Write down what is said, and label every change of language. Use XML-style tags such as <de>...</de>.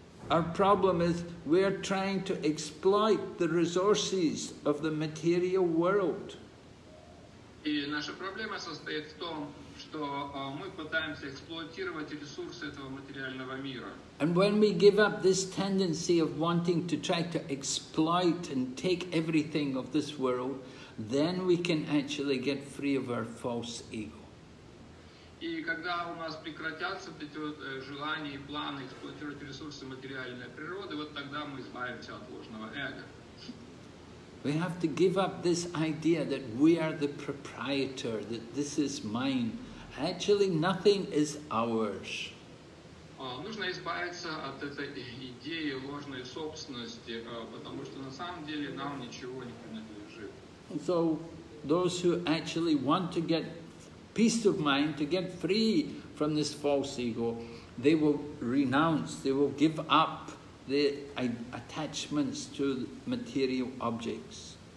<en>Our problem is we are trying to exploit the resources of the material world.</en> <ru>И наша проблема состоит в том, что мы пытаемся эксплуатировать ресурсы этого материального мира.</ru> <en>And when we give up this tendency of wanting to try to exploit and take everything of this world, then we can actually get free of our false ego.</en> <ru>И когда у нас прекратятся эти вот желания и планы эксплуатировать ресурсы материальной природы, вот тогда мы избавимся от ложного эго.</ru> <en>We have to give up this idea that we are the proprietor, that this is mine. Actually, nothing is ours.</en> <ru>Нужно избавиться от этой идеи ложной собственности, потому что на самом деле нам ничего не принадлежит.</ru> <en>So, those who actually want to get peace of mind, to get free from this false ego, they will renounce, they will give up the attachments to material objects.</en>